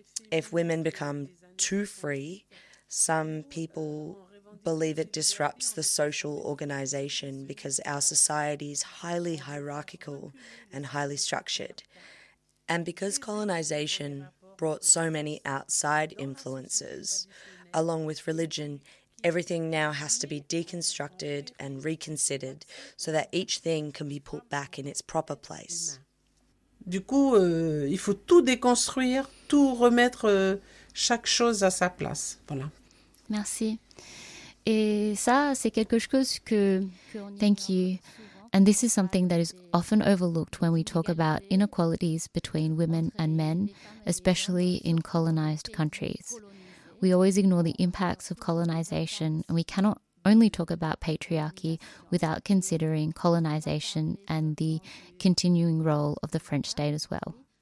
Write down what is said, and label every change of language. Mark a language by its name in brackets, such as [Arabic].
[English] If women become too free, some people believe it disrupts the social organization because our society is highly hierarchical and highly structured. And because colonization brought so many outside influences, along with religion, everything now has to be deconstructed and reconsidered so that each thing can be put back in its proper place. [French] Du coup, il faut tout déconstruire, tout remettre chaque chose à sa place. Voilà. Merci. Et ça, c'est quelque chose que... [English] Thank you. And this is something that is often overlooked when we talk about inequalities between women and men, especially in colonized countries. We always ignore the impacts of colonization, and we cannot only talk about patriarchy without considering colonization and the continuing role of the French state as well.